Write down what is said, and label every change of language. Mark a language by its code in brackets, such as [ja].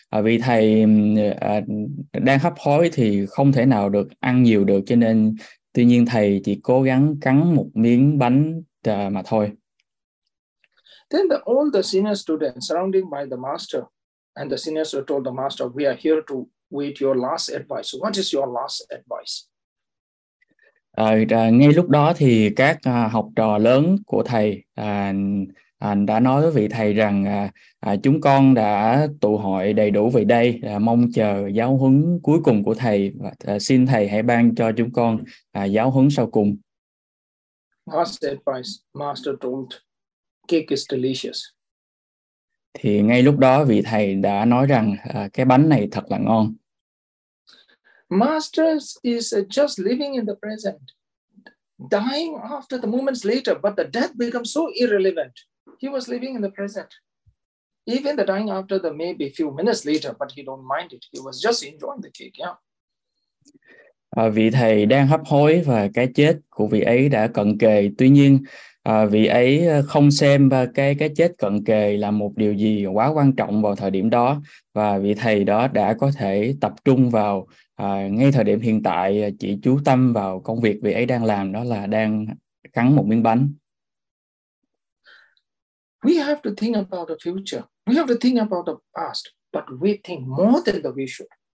[vi] Vì thầy đang hấp hối thì không thể nào được ăn nhiều được, cho nên tuy nhiên thầy chỉ cố gắng cắn một miếng bánh mà thôi. [en] Then all the senior students surrounding by the master, and the seniors were told the master, we are here to wait your last advice. What is your last advice? [vi] Ngay lúc đó thì các học trò lớn của thầy đã nói với vị thầy rằng chúng con đã tụ hội đầy đủ về đây, mong chờ giáo huấn cuối cùng của thầy, và xin thầy hãy ban cho chúng con giáo huấn sau cùng. [en] Last advice, master told, cake is delicious. [vi] Thì ngay lúc đó vị thầy đã nói rằng cái bánh này thật là ngon. [en] Master is just living in the present, dying after the moments later, but the death becomes so irrelevant. He was living in the present. Even the dying after the maybe few minutes later, but he don't mind it. He was just enjoying the cake, yeah. [vi] Vị thầy đang hấp hối và cái chết của vị ấy đã cận kề. Tuy nhiên, vị ấy không xem cái chết cận kề là một điều gì quá quan trọng vào thời điểm đó. Và vị thầy đó đã có thể tập trung vào ngay thời điểm hiện tại, chỉ chú tâm vào công việc vị ấy đang làm, đó là đang cắn một miếng bánh. [en] We have to think about the future. We have to think about the past. But we think more than the future.